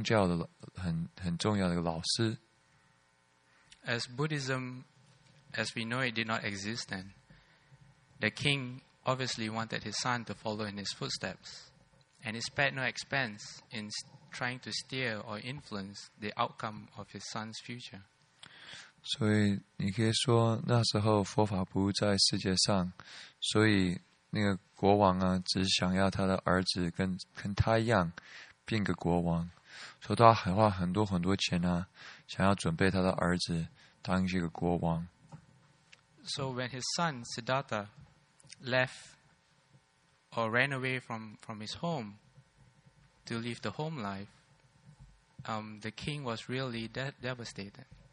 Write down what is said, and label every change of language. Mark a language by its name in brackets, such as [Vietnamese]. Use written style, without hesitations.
[Chinese] 是因为佛陀出生的时候，他的爸爸那时候的国王听到，去跟一个你说算命的人啊一起，他就看了那个佛陀后来，说他后来会变成一个转轮圣王，或者他会当一个宗教的很重要的老师。 [English] As Buddhism as we know it did not exist then, the king obviously wanted his son to follow in his footsteps, and he spared no expense in trying to steer or influence the outcome of his son's future. [Chinese] 所以你可以说那时候佛法不在世界上，所以那个国王啊，只想要他的儿子跟他一样，变个国王，所以他花很多很多钱啊，想要准备他的儿子当一个国王。 [English] So when his son Siddhartha left or ran away from his home to leave the home life, the king was really devastated.